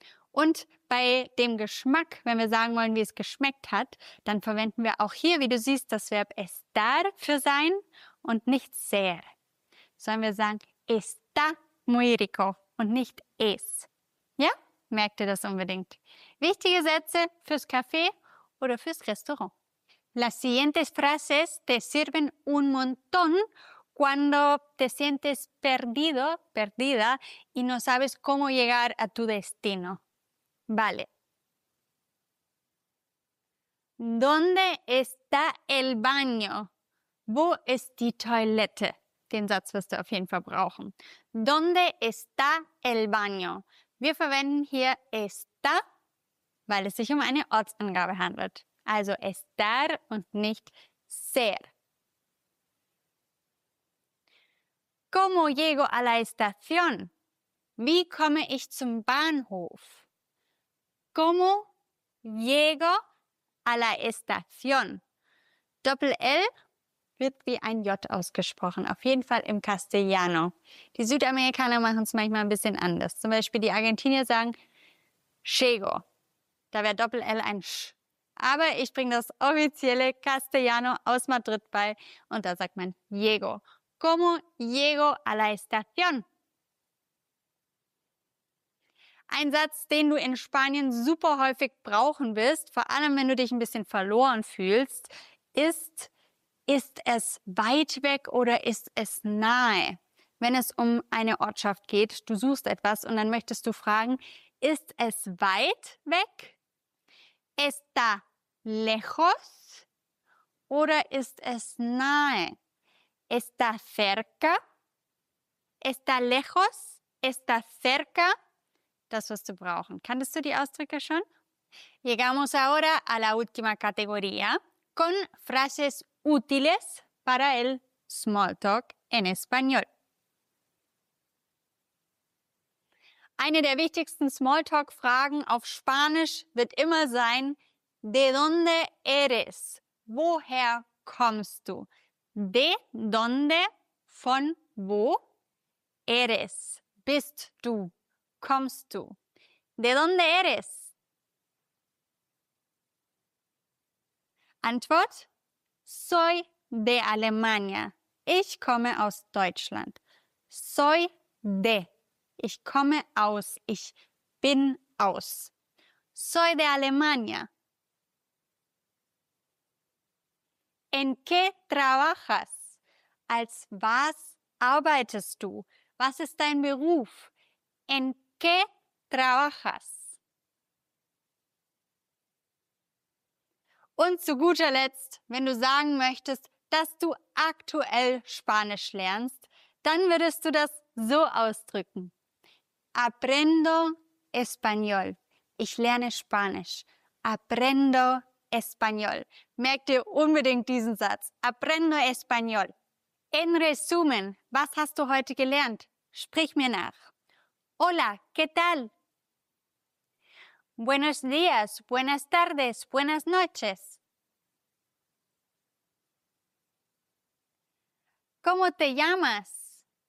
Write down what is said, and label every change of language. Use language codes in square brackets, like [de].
[de] Und bei dem Geschmack, wenn wir sagen wollen, wie es geschmeckt hat, dann verwenden wir auch hier, wie du siehst, das Verb estar für sein und nicht ser. Sondern wir sagen [es] está muy rico [de] und nicht es. Ja? Merkt ihr das unbedingt. Wichtige Sätze fürs Café oder fürs Restaurant. [es] Las siguientes frases te sirven un montón cuando te sientes perdido, perdida y no sabes cómo llegar a tu destino. Vale. ¿Dónde está el baño? [de] Wo ist die Toilette? Den Satz wirst du auf jeden Fall brauchen. [es] ¿Dónde está el baño? [de] Wir verwenden hier está, weil es sich um eine Ortsangabe handelt. Also estar und nicht ser. [es] ¿Cómo llego a la estación? [de] Wie komme ich zum Bahnhof? [es] ¿Cómo llego a la estación? [de] Doppel-L wird wie ein J ausgesprochen, auf jeden Fall im Castellano. Die Südamerikaner machen es manchmal ein bisschen anders. Zum Beispiel die Argentinier sagen Chego. Da wäre Doppel-L ein Sch. Aber ich bringe das offizielle Castellano aus Madrid bei und da sagt man Llego. [es] ¿Cómo llego a la estación? [de] Ein Satz, den du in Spanien super häufig brauchen wirst, vor allem wenn du dich ein bisschen verloren fühlst, ist: Ist es weit weg oder ist es nahe? Wenn es um eine Ortschaft geht, du suchst etwas und dann möchtest du fragen, ist es weit weg? [es] ¿Está lejos? [de] Oder ist es nahe? [es] ¿Está cerca? ¿Está lejos? ¿Está cerca? [de] Das wirst du brauchen. Kanntest du die Ausdrücke schon? [es] Llegamos ahora a la última categoría con frases útiles para el Smalltalk en español. [de] Eine der wichtigsten Smalltalk-Fragen auf Spanisch wird immer sein, [es] ¿De dónde eres? [de] ¿Woher kommst du? [es] ¿De dónde? [de] ¿Von wo? [es] ¿Eres? [de] ¿Bist du? ¿Kommst du? [es] ¿De dónde eres? [de] Antwort: [es] Soy de Alemania. [de] Ich komme aus Deutschland. [es] Soy de. [de] Ich komme aus, ich bin aus. [es] Soy de Alemania. ¿En qué trabajas? [de] Als was arbeitest du? Was ist dein Beruf? [es] ¿En qué trabajas? [de] Und zu guter Letzt, wenn du sagen möchtest, dass du aktuell Spanisch lernst, dann würdest du das so ausdrücken. [es] Aprendo español. [de] Ich lerne Spanisch. [es] Aprendo español. [de] Merkt ihr unbedingt diesen Satz. [es] Aprendo español. En resumen, [de] was hast du heute gelernt? Sprich mir nach. [es] Hola, ¿qué tal? Buenos días, buenas tardes, buenas noches. ¿Cómo te llamas?